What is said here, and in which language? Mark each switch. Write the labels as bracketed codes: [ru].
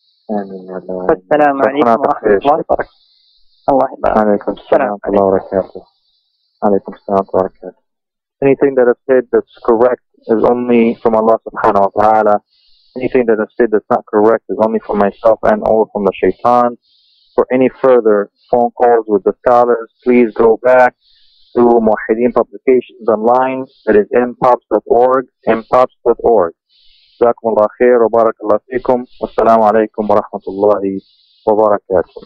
[ar] السلام عليكم ورحمة الله وبركاته. الله يبارك. عليكم السلام ورحمة الله وبركاته. عليكم السلام ورحمة الله. [en] Anything that is said that's correct is only from Allah Subhanahu wa Taala. Anything that is said that's not correct is only from myself and all from the Shaytan. For any further phone calls with the scholars, please go back to Muwahideen Publications online. That is mpops.org. mpops.org. [ar] جزاكم الله خير وبارك الله فيكم والسلام عليكم ورحمة الله وبركاته.